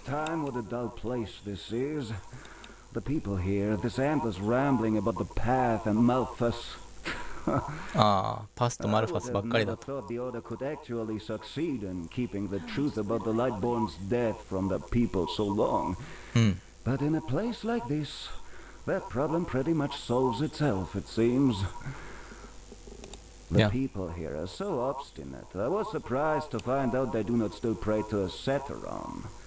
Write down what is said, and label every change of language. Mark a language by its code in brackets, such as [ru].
[en] At the face of time, what a dull place this is. The people here, this endless rambling about the path and Malthus. [ja] ああ、パスとマルファスばっかりだと。 [en] I thought the order could actually succeed in keeping the truth about the Lightborn's death from the people so long. But in a place like this, that problem pretty much solves itself, it seems. The people here are so obstinate. I was surprised to find out they do not still pray to a Saturon.